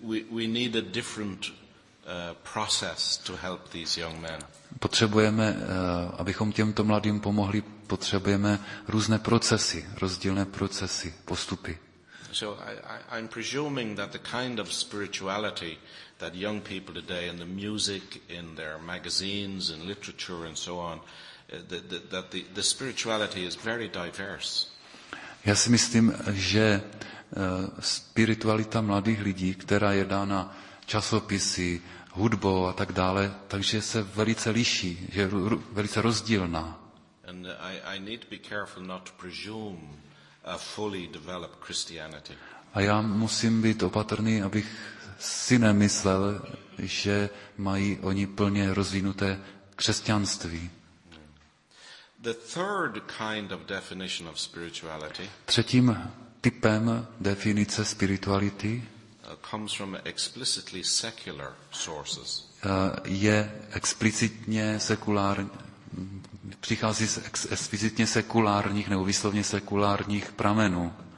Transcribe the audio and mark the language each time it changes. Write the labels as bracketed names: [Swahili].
[English] We need a different process to help these young men. [Czech] Potřebujeme, abychom těmto mladým pomohli, potřebujeme různé procesy, rozdílné procesy, postupy. [English] So I'm presuming that the kind of spirituality that young people today in the music, in their magazines, in literature and so on, that the spirituality is very diverse. [Czech] Já si myslím, že spiritualita mladých lidí, která je dána časopisy, hudbou a tak dále, takže se velice liší, že je velice rozdílná. [English] And I need to be careful not to presume a fully developed Christianity. [Czech] A já musím být opatrný, abych si nemyslel, že mají oni plně rozvinuté křesťanství. [English] The third kind of definition of spirituality. [Czech] Třetím typem definice spirituality [English] comes from explicitly secular sources. [Czech] Je explicitně sekulární. Přichází z explicitně sekulárních nebo vyslovně sekulárních pramenů.